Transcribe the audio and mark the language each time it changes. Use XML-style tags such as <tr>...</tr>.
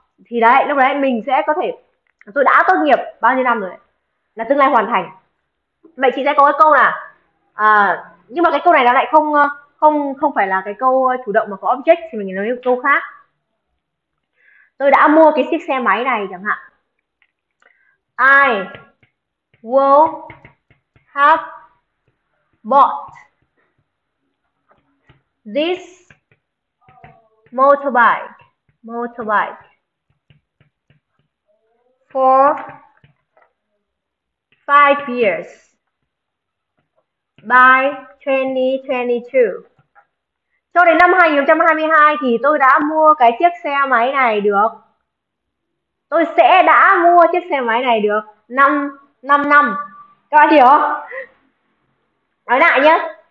<vi>Thì đấy, lúc đấy mình sẽ có thể tôi đã tốt nghiệp bao nhiêu năm rồi. Là tương lai hoàn thành. Vậy chị sẽ có cái câu là nhưng mà cái câu này nó lại không phải là cái câu chủ động mà có object, thì mình nói câu khác. Tôi đã mua cái chiếc xe máy này chẳng hạn.</vi> <en>I will have bought this motorbike for 5 years. By 2022.</en> <vi>Cho đến năm 2022 thì tôi đã mua cái chiếc xe máy này được. Tôi sẽ đã mua chiếc xe máy này được 5 năm. Các bạn hiểu không? Nói lại nhé.</vi>